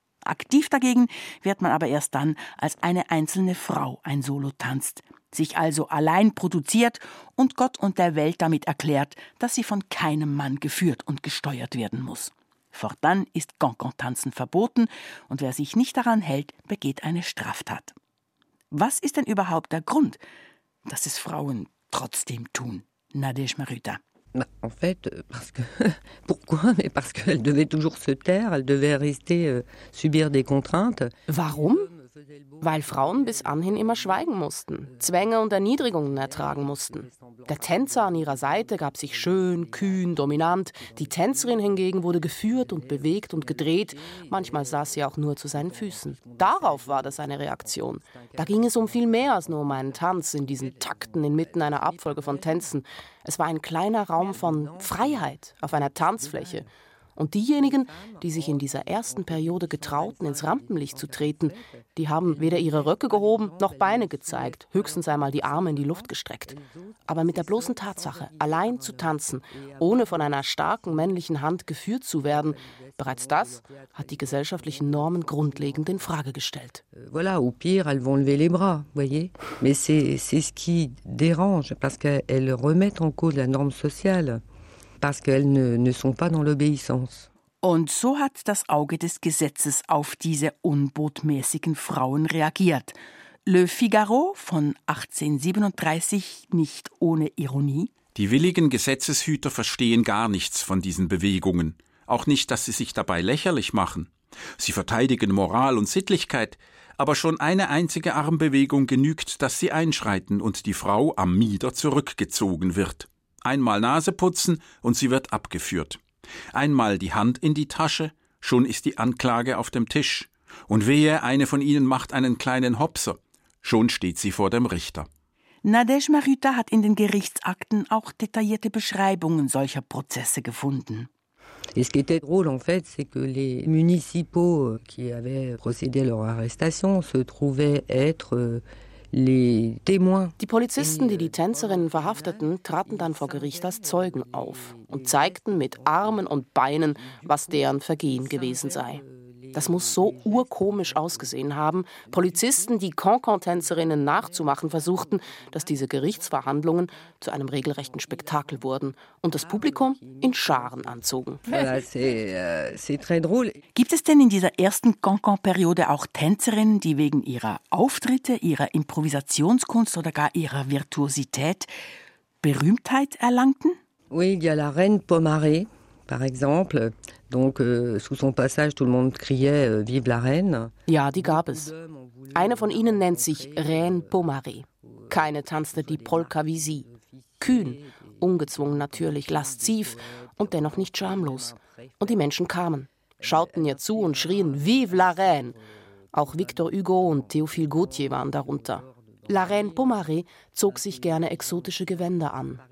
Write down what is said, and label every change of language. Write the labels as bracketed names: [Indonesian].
[German] Aktiv dagegen wird man aber erst dann, als eine einzelne Frau ein Solo tanzt, sich also allein produziert und Gott und der Welt damit erklärt, dass sie von keinem Mann geführt und gesteuert werden muss. Fortan ist Cancan-Tanzen verboten und wer sich nicht daran hält, begeht eine Straftat. Was ist denn überhaupt der Grund, dass es Frauen trotzdem tun, Nadège Maruta? [French] En fait, parce que pourquoi? Mais parce qu'elle devait toujours se taire, elle devait rester subir des contraintes. [German] Warum? Weil Frauen bis anhin immer schweigen mussten, Zwänge und Erniedrigungen ertragen mussten. Der Tänzer an ihrer Seite gab sich schön, kühn, dominant. Die Tänzerin hingegen wurde geführt und bewegt und gedreht. Manchmal saß sie auch nur zu seinen Füßen. Darauf war das eine Reaktion. Da ging es um viel mehr als nur um einen Tanz in diesen Takten inmitten einer Abfolge von Tänzen. Es war ein kleiner Raum von Freiheit auf einer Tanzfläche. Und diejenigen, die sich in dieser ersten Periode getrauten, ins Rampenlicht zu treten, die haben weder ihre Röcke gehoben noch Beine gezeigt, höchstens einmal die Arme in die Luft gestreckt. Aber mit der bloßen Tatsache, allein zu tanzen, ohne von einer starken männlichen Hand geführt zu werden, bereits das hat die gesellschaftlichen Normen grundlegend in Frage gestellt. [French] Voilà, au pire, elles vont lever les bras, voyez. Mais c'est ce qui dérange, parce qu'elles remettent en cause la norme sociale. Parce qu'elles ne sont pas dans l'obéissance. [German] Und so hat das Auge des Gesetzes auf diese unbotmäßigen Frauen reagiert. Le Figaro von 1837, nicht ohne Ironie. Die willigen Gesetzeshüter verstehen gar nichts von diesen Bewegungen. Auch nicht, dass sie sich dabei lächerlich machen. Sie verteidigen Moral und Sittlichkeit. Aber schon eine einzige Armbewegung genügt, dass sie einschreiten und die Frau am Mieder zurückgezogen wird. Einmal Nase putzen und sie wird abgeführt. Einmal die Hand in die Tasche, schon ist die Anklage auf dem Tisch. Und wehe, eine von ihnen macht einen kleinen Hopser, schon steht sie vor dem Richter. Nadezhma Rüther hat in den Gerichtsakten auch detaillierte Beschreibungen solcher Prozesse gefunden. [French] Et ce qui était drôle, en fait, c'est que les municipaux qui avaient procédé à leur arrestation se trouvaient être [German] Die Polizisten, die die Tänzerinnen verhafteten, traten dann vor Gericht als Zeugen auf und zeigten mit Armen und Beinen, was deren Vergehen gewesen sei. Das muss so urkomisch ausgesehen haben, Polizisten, die Cancan-Tänzerinnen nachzumachen versuchten, dass diese Gerichtsverhandlungen zu einem regelrechten Spektakel wurden und das Publikum in Scharen anzogen. Gibt es denn in dieser ersten Cancan-Periode auch Tänzerinnen, die wegen ihrer Auftritte, ihrer Improvisationskunst oder gar ihrer Virtuosität Berühmtheit erlangten? [French] Oui, il y a la reine Pomaret, par exemple. Donc, sous son passage, tout le monde criait « Vive la reine ». [German] Ja, die gab es. Eine von ihnen nennt sich Reine Pomaret. Keine tanzte die Polka wie sie. Kühn, ungezwungen natürlich, lasziv und dennoch nicht schamlos. Und die Menschen kamen, schauten ihr zu und schrien « [French] Vive la reine ». [German] Auch Victor Hugo und Théophile Gautier waren darunter. La Reine Pomaret zog sich gerne exotische Gewänder an.